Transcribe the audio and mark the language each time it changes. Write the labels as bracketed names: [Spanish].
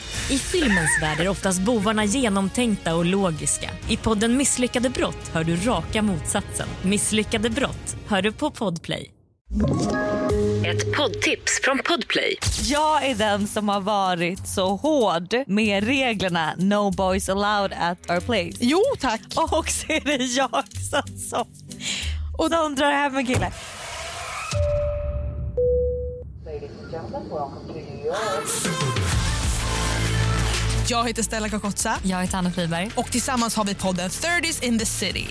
[Swedish] I filmens värld är oftast bovarna genomtänkta och logiska. I podden Misslyckade brott hör du raka motsatsen. Misslyckade brott hör du på Podplay. Ett poddtips från Podplay. Jag är den som har varit så hård med reglerna. [English] No boys allowed at our place. [Swedish] Jo, tack. Och så är det jag som och de drar hem en kille. Jag heter Stella Kakotsa. Jag heter Anna Friberg. Och tillsammans har vi podden 30s in the city.